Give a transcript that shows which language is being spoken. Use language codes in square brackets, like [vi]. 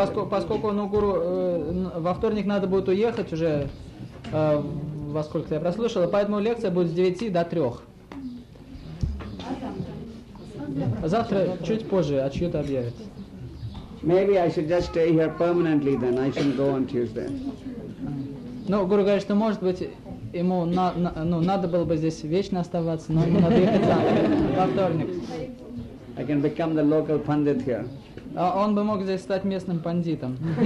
[ru] Поскольку Гуру во вторник надо будет уехать уже, во сколько я прослушал, поэтому лекция будет с 9 до 3. Завтра чуть позже Ачьюта объявит. [en] Maybe I should just stay here permanently then. I shouldn't go on Tuesday. [ru] Ну, Гуру говорит, что может быть ему надо было бы здесь вечно оставаться, но ему надо ехать во вторник. [en] I can become the local pundit here. [ru] Он бы мог здесь стать местным пандитом.